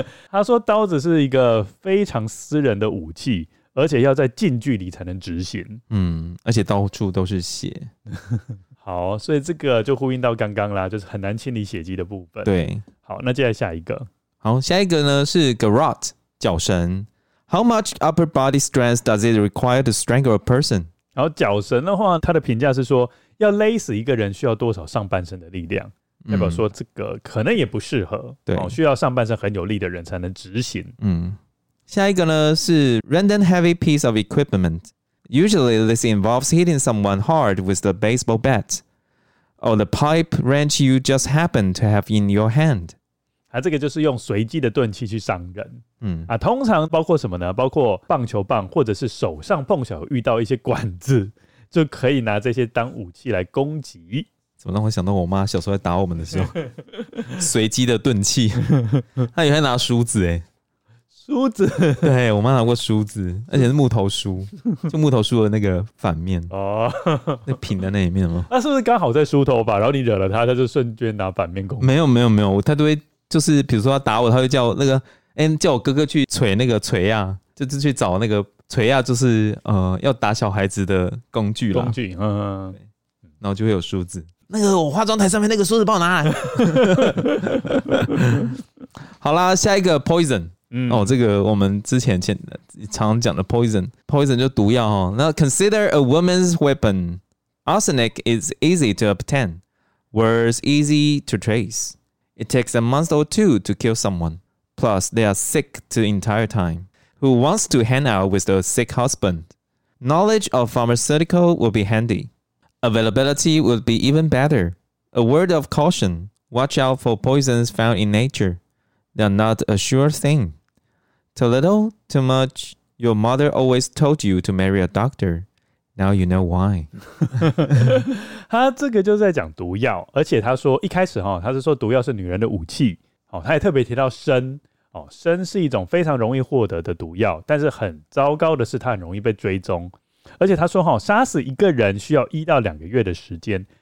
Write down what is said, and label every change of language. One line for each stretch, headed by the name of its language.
Chinese: 他说刀子是一个非常私人的武器，而且要在近距离才能执行。嗯，而且到处都是血。好，所以这个就呼应到刚刚啦，就是很难清理血迹的部分。对。好，那接下来下一个。好，下一个呢是 garrote, 绞绳。
English: How much upper body strength does it require to strangle a person?
Chinese: 然后绞绳的话，他的评价是说，要勒死一个人需要多少上半身的力量。代表说这个可能也不适合，对，哦，需要上半身很有力的人才能执行。嗯，下一个呢是
English: random heavy piece of equipment. Usually this involves hitting someone hard with the baseball bat or the pipe wrench you just happen to have in your hand.
Chinese: 啊，这个就是用随机的钝器去伤人。嗯，啊，通常包括什么呢？包括棒球棒或者是手上碰巧遇到一些管子，就可以拿这些当武器来攻击。怎么让我想到我妈小时候在打我们的时候随机的钝器，她也会拿梳子，欸，梳子，对，我妈拿过梳子，而且是木头梳，就木头梳的那个反面，哦，那平的那一面吗？那是不是刚好在梳头发，然后你惹了她，她就瞬间拿反面攻击？没有没有没有，她都会就是比如说她打我，她会叫那个，欸，叫我哥哥去捶那个锤啊，就是去找那个锤啊，就是要打小孩子的工具啦，工具，嗯，然后就会有梳子，那个我化妆台上面那个梳子帮我拿来。好啦，下一个 poison，嗯，哦，这个我们之 前常讲的 poison， poison 就毒药，哦，那
English: consider a woman's weapon. Arsenic is easy to obtain, whereas easy to trace. It takes a month or two to kill someone. Plus they are sick the entire time. Who wants to hang out with a sick husband? Knowledge of pharmaceutical will be handyAvailability would be even better. A word of caution. Watch out for poisons found in nature. They are not a sure thing. Too little, too much. Your mother always told you to marry a doctor. Now you know why.
Chinese: 他这个就是在讲毒药，而且他说一开始，哦，他是说毒药是女人的武器，哦，他也特别提到砷，哦，砷是一种非常容易获得的毒药，但是很糟糕的是它很容易被追踪，而且他说哈，杀死一个人需要1到2个月的时间。